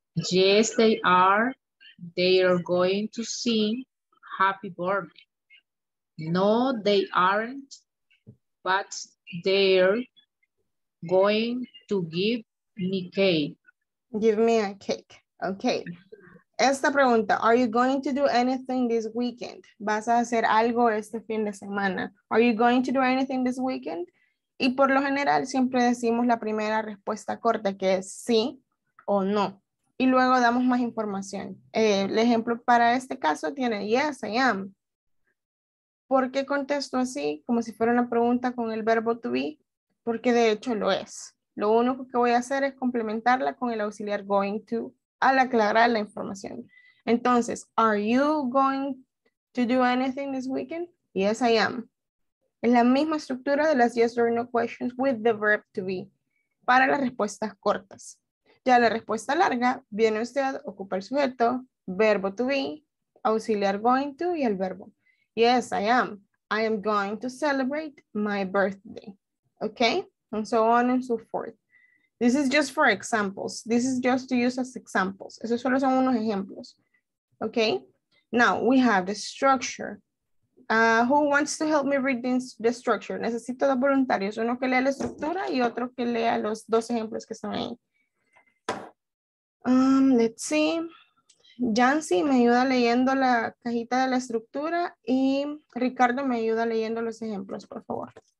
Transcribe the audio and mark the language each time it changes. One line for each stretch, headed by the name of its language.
English: Yes, they are. They are going to sing happy birthday. No, they aren't, but they're going to give me cake. Give me a cake. Okay.
Spanish: Esta pregunta,
English: are you going to do anything this weekend?
Spanish: ¿Vas a hacer algo este fin de semana?
English: Are you going to do anything this weekend?
Spanish: Y por lo general siempre decimos la primera respuesta corta, que es sí o no. Y luego damos más información. El ejemplo para este caso tiene
English: yes, I am.
Spanish: ¿Por qué contesto así? Como si fuera una pregunta con el verbo to be. Porque de hecho lo es. Lo único que voy a hacer es complementarla con el auxiliar going to al aclarar la información.
English: Entonces, are you going to do anything this weekend? Yes, I am.
Spanish: Es la misma estructura de las
English: yes or no questions with the verb to be
Spanish: para las respuestas cortas. Ya la respuesta larga, viene usted, ocupa el sujeto, verbo to be, auxiliar going to y el verbo.
English: Yes, I am. I am going to celebrate my birthday. Okay? And so on and so forth. This is just for examples. This is just to use as examples.
Spanish: Esos solo son unos ejemplos.
English: Okay? Now, we have the structure. Who wants to help me read the structure?
Spanish: Necesito dos voluntarios. Uno que lea la estructura y otro que lea los dos ejemplos que están ahí.
English: Let's see.
Spanish: Yancy me ayuda leyendo la cajita de la estructura y Ricardo me ayuda leyendo los ejemplos, por favor.